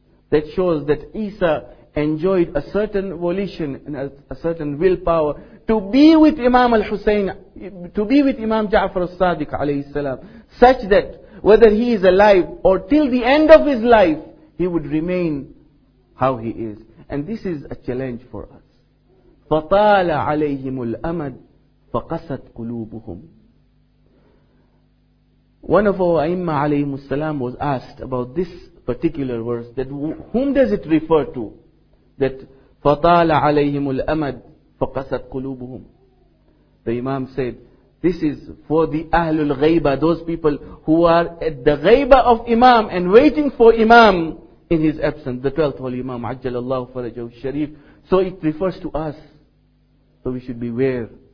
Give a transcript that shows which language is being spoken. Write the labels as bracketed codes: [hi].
[en] That shows that Isa enjoyed a certain volition and a certain willpower to be with Imam al-Hussein, to be with Imam Ja'far al-Sadiq alayhi salam, such that whether he is alive or till the end of his life, he would remain how he is. And this is a challenge for us. [ar] فَطَالَ عَلَيْهِمُ الْأَمَدْ فَقَسَتْ قُلُوبُهُمْ. [en] One of our Aimma alayhimu salam was asked about this particular verse, that whom does it refer to? [ar] That فَطَالَ عَلَيْهِمُ الْأَمَدْ فَقَسَتْ قُلُوبُهُمْ. [en] The Imam said, this is for the Ahlul Ghaiba, those people who are at the Ghaiba of Imam and waiting for Imam in his absence, the 12th Holy Imam, Ajjalallahu Farajahu Sharif. So it refers to us. So we should beware.